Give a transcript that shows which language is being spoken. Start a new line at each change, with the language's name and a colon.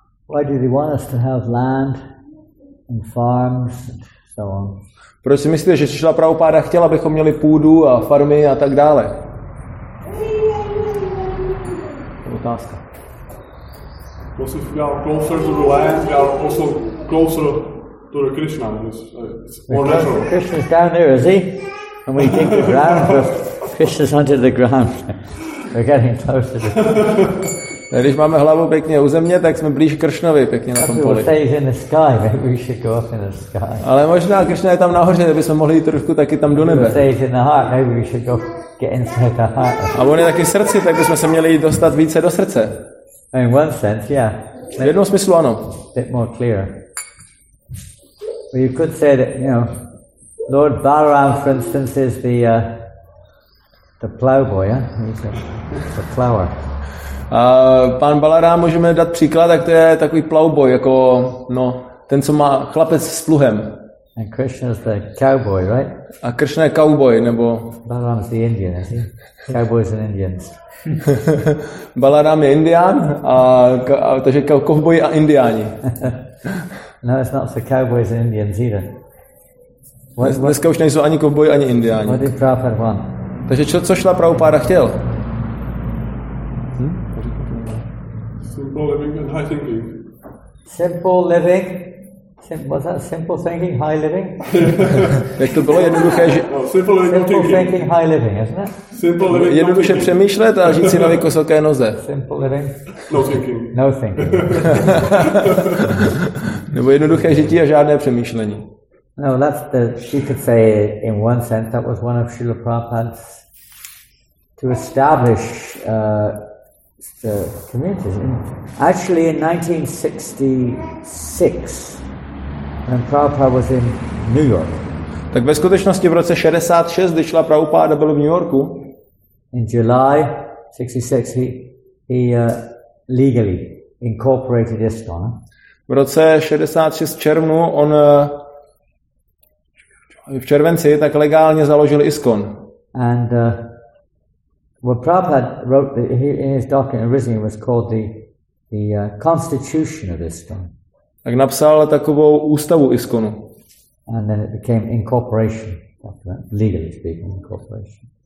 English: Why did he want us to have land and farms and so on?
Czech: Proč si myslíte, že Srila Prabhupada chtěl, abychom měli půdu a farmy a tak dále? Otázka.
English: Because if we are closer to the land, we are also closer to the Krishna, it's more natural. Krishna's down there, is he? And we dig the ground, Krishna's under the ground. We're getting closer to
Czech: the když máme hlavu pěkně u země, tak jsme blíž Kršnovi pěkně na tom poli.
English: Maybe we'll stay in the sky, maybe we should go up in the sky.
Czech: Ale možná Krishna je tam nahoře, kdybychom mohli jít trošku taky tam do nebe.
English: Maybe we'll stay in the heart, maybe we should go get inside the heart.
Czech: A on je taky srdci, tak bychom se měli dostat více do srdce.
English: In one sense, yeah.
Czech: V jednom smyslu ano.
English: A bit more clear. Well, you could say that, you know, Lord Balaram, for instance, is the ploughboy, yeah? He's the plower.
Czech: Pán Balaram, můžeme dát příklad, tak to je takový ploughboy, jako, no, ten, co má chlapec s pluhem.
English: And Krishna's the cowboy, right?
Czech: A Krishna je cowboy, nebo...
English: Balaram's the Indian, is he? Cowboys and Indians.
Czech: Balaram je Indián, takže cowboy a Indiáni.
English: No, it's not for cowboys and Indians either.
Czech: Dneska už nejsou ani kovboj, ani Indiáni.
English: What did Prabhupada want?
Czech: Takže co Srila Prabhupada chtěl?
English: Simple living and high thinking. Simple living? Was that simple thinking, high living?
Czech: Jak to bylo jednoduché, že...
English: Simple thinking, high living, isn't it? Simple living,
Czech: jednoduše přemýšlet a žít si na vysoké noze.
English: Simple living? No thinking.
Czech: Nebo jednoduché žití a žádné přemýšlení.
English: No, she could say in one sense that was one of Srila Prabhupada's to establish the communities. Actually, in 1966, when Prabhupada was in New York.
Czech: Tak ve skutečnosti v roce 66, když Srila Prabhupada byl v New Yorku.
English: In July 66, he legally incorporated ISKCON.
Czech: V roce 66 červnu on v červenci tak legálně založil ISKCON.
English: And Prabhupada wrote in his document originally was called the Constitution of ISKCON.
Czech: Tak napsal takovou ústavu ISKCONu.
English: And then it became incorporation document, legally speaking, incorporation.